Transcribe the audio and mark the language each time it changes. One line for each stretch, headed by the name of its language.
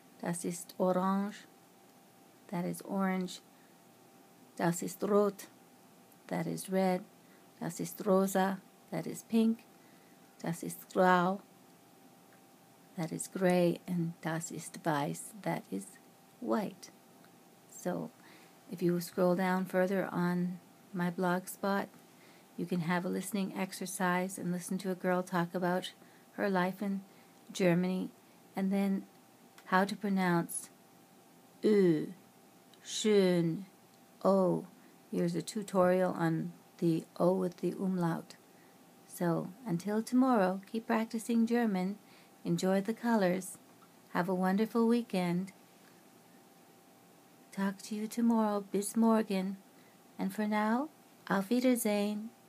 German: Das ist Orange,
English: that is orange.
German: Das ist Rot,
English: that is red.
German: Das ist Rosa,
English: that is pink.
German: Das ist Grau,
English: that is gray. And
German: Das ist Weiß,
English: that is white. So if you scroll down further on my blog spot, you can have a listening exercise and listen to a girl talk about her life in Germany and then how to pronounce Ü, Schön, O. Here's a tutorial on the O with the umlaut. So until tomorrow, keep practicing German, enjoy the colors, have a wonderful weekend. Talk to you tomorrow,
German: bis morgen.
English: And for now,
German: auf Wiedersehen.